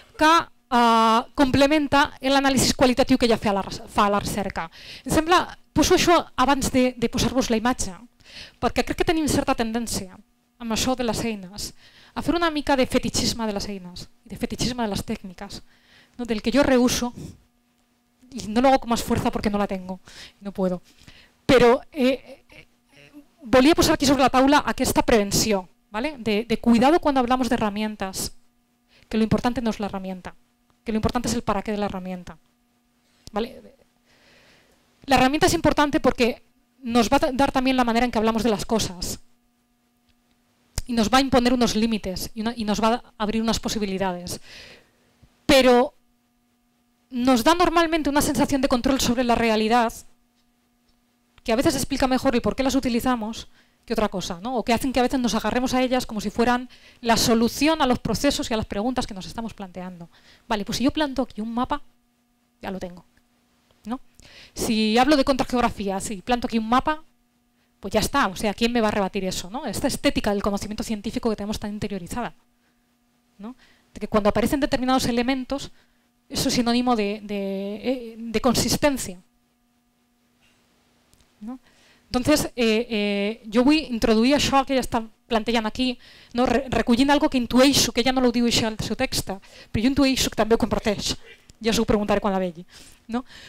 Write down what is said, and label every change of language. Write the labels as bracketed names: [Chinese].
[Catalan] que complementa l'anàlisi qualitatiu que ja fa a la recerca. Em sembla, poso això abans de posar-vos la imatge, perquè crec que tenim certa tendència amb això de les eines, a fer una mica de fetichisme de les eines, de fetichisme de les tècniques, no? [Spanish] del que jo reuso, i no lo hago con más fuerza porque no la tengo, no puedo. [Catalan] Però volia posar aquí sobre la taula aquesta prevenció, ¿vale? [Spanish] de cuidado cuando hablamos de herramientas, que lo importante no es la herramienta, que lo importante es el para qué de la herramienta. ¿Vale? La herramienta es importante porque nos va a dar también la manera en que hablamos de las cosas y nos va a imponer unos límites y nos va a abrir unas posibilidades. Pero nos da normalmente una sensación de control sobre la realidad que a veces explica mejor el por qué las utilizamos que otra cosa, ¿no? o que hacen que a veces nos agarremos a ellas como si fueran la solución a los procesos y a las preguntas que nos estamos planteando. Vale, pues si yo planto aquí un mapa, ya lo tengo, ¿no? Si hablo de contrageografía, si planto aquí un mapa, pues ya está, o sea, ¿quién me va a rebatir eso, ¿no? Esta estética del conocimiento científico que tenemos tan interiorizada, ¿no? De que cuando aparecen determinados elementos, eso es sinónimo de consistencia, ¿no? Entonces, [Catalan] jo vull introduir això que ella està plantejant aquí, no? recollint algo que intueixo, que ella no ho diu això al seu text, però jo intueixo que també ho comparteix, ja us ho preguntaré quan la vegi. No?